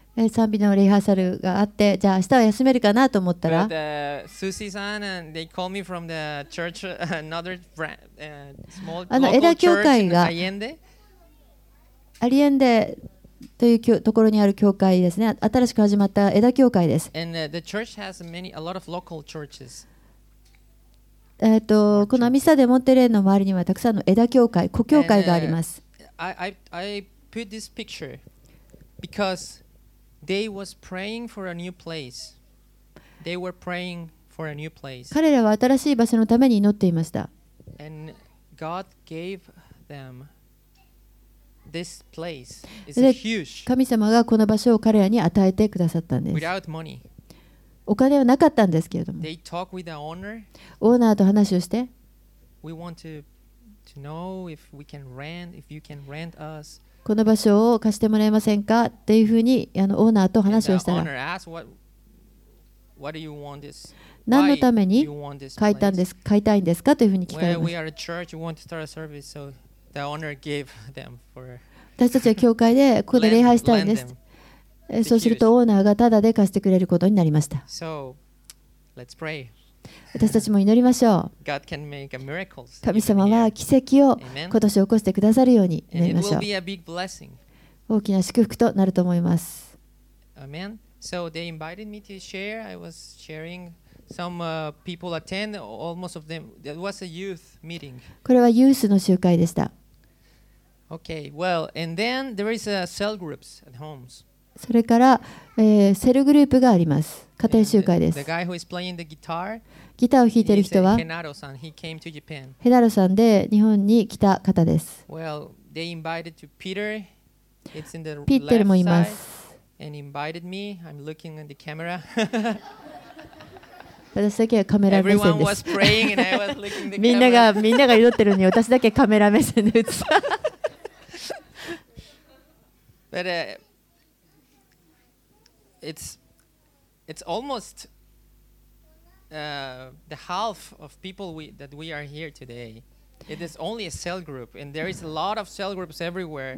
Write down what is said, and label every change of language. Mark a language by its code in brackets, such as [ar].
[ja] 賛美のリハーサルがあって、じゃあ明日は休めるかなと思ったら、 [en] Susie-san and they called me from the church, another small local church in Allende. [ja] Allendeというところにある教会ですね。新しく始まった枝教会です。 [en] And the church has many a lot of local churches. [ja] このミサデモンテレーの周りにはたくさんの枝教会、子教会があります。 [en] I put this picture because they was praying for a new place. They were praying for a new place. [ja] 彼らは新しい場所のために祈っていました。 [en] And God gave them this place. It's huge. [ja] 神様がこの場所を彼らに与えてくださったんです。 [en] Without money. [ja] お金はなかったんですけれども。 [en] They talk with the owner. [ja] オーナーと話をして。 [en] We want to know if we can rent, if you can rent us. [ja] この場所を貸してもらえませんかっていうふうにオーナーと話をしたら。 [en] And the owner asked, what do you want this? [ja] 何のために買いたいんですかというふうに聞かれました。 [en] Well, we are a church. We want to start a service. So the owner gave them for. [ja] 私たちは教会でここで礼拝したいんです。そうするとオーナーがタダで貸してくれることになりました。私たちも祈りましょう。神様は奇跡を今年起こしてくださるように祈りましょう。大きな祝福となると思います。 [en] アメン。So they invited me to share. I was sharing. Some people attend. Almost of them. It was a youth meeting. [ja] これはユースの集会でした。 [en] Okay. Well, and then there is a cell groups at homes. [ja] それから、セルグループがあります。家庭集会です。 [en] The guy who is playing the guitar. [ja] ギターを弾いている人は、 [en] Henaro-san. He came to Japan. [ja] Henaro-san で日本に来た方です。 [en] Well, they invited to Peter. It's in the left [ja] side. ピーテルもいます。 [en] And invited me. I'm looking at the camera. [ja] 私だけはカメラ目線です。みんなが祈ってるのに私だけカメラ目線で映す。 [en] But it's almost the half of people that we are here today. It is only a cell group, and there is a lot of cell groups everywhere